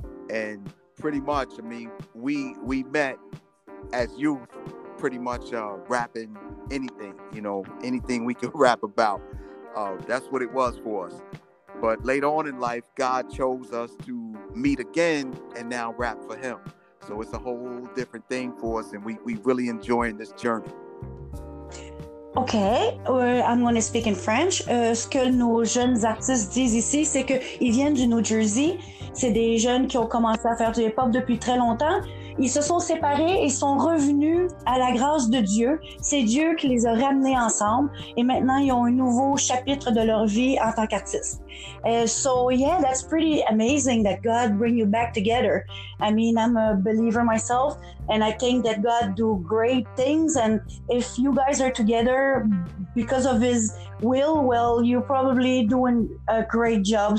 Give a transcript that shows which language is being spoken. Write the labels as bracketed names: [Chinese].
[English] And pretty much, I mean, we met as youth, pretty much rapping anything, you know, anything we could rap about. That's what it was for us. But later on in life, God chose us to meet again and now rap for Him. So it's a whole different thing for us, and we really enjoying this journey. Okay, I'm going to speak in French. [French] Ce que nos jeunes artistes disent ici, c'est qu'ils viennent du New Jersey. C'est des jeunes qui ont commencé à faire du hip-hop depuis très longtemps. Ils se sont séparés et sont revenus à la grâce de Dieu. C'est Dieu qui les a ramenés ensemble. Et maintenant, ils ont un nouveau chapitre de leur vie en tant qu'artistes. [English] So, yeah, that's pretty amazing that God bring you back together. I mean, I'm a believer myself, and I think that God do great things. And if you guys are together because of His will, well, you're probably doing a great job.